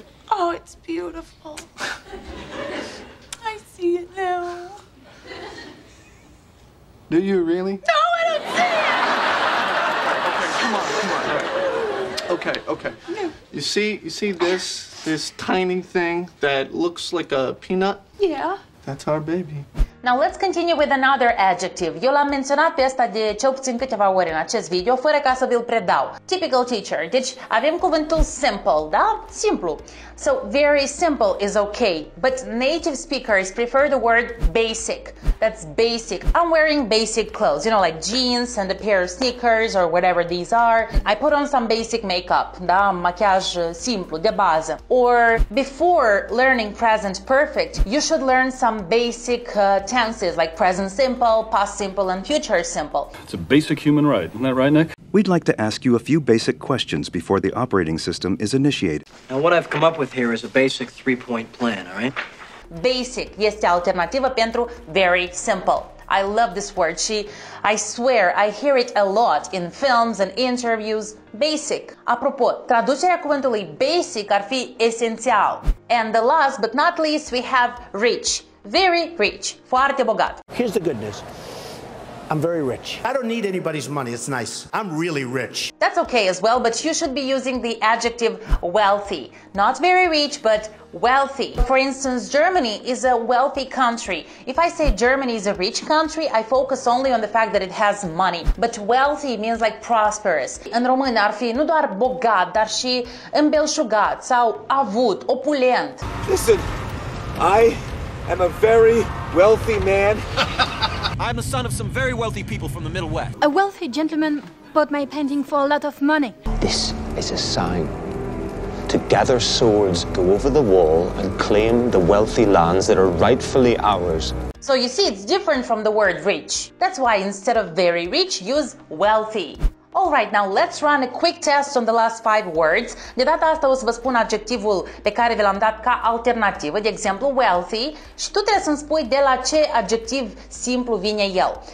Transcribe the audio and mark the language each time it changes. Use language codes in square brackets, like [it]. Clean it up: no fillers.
[en] Oh, it's beautiful. I see it now. Do you really? No, I don't see it! Okay. No. You see this tiny thing that looks like a peanut? Yeah. That's our baby. Now let's continue with another adjective. [ro] Eu l-am menționat pe ăsta de cel puțin câteva ori în acest video, fără ca să vi-l predau. [en] Typical teacher. [ro] Deci avem cuvântul simple, da? Simplu. [en] So very simple is okay, but native speakers prefer the word basic. That's basic. I'm wearing basic clothes, you know, like jeans and a pair of sneakers or whatever these are. I put on some basic makeup, da? [ro] Machiaj simplu, de bază. [en] Or before learning present perfect, you should learn some basic tenses like present simple, past simple, and future simple. It's a basic human right. Isn't that right, Nick? We'd like to ask you a few basic questions before the operating system is initiated. Now, what I've come up with here is a basic 3-point plan, all right? Basic [ro] este alternativa pentru [en] very simple. I love this word. I swear, I hear it a lot in films and interviews. Basic. [ro] Apropo, traducerea cuvântului basic ar fi esențial. [en] And the last but not least, we have rich. Very rich. [ro] Foarte bogat. [en] Here's the good news. I'm very rich. I don't need anybody's money. It's nice. I'm really rich. That's okay as well, but you should be using the adjective wealthy. Not very rich, but wealthy. For instance, Germany is a wealthy country. If I say Germany is a rich country, I focus only on the fact that it has money. But wealthy means like prosperous. [ro] În română ar fi nu doar bogat, dar și îmbelșugat sau avut, opulent. [en] Listen, I'm a very wealthy man. I'm the son of some very wealthy people from the Middle West. A wealthy gentleman bought my painting for a lot of money. This is a sign to gather swords, go over the wall, and claim the wealthy lands that are rightfully ours. So you see, it's different from the word rich. That's why instead of very rich, use wealthy. All right, now let's run a quick test on the last 5 words. [ro] De data asta o să vă spun adjectivul pe care vi l-am dat ca alternativă, de exemplu, wealthy, și tu trebuie să-mi spui de la ce adjectiv simplu vine el.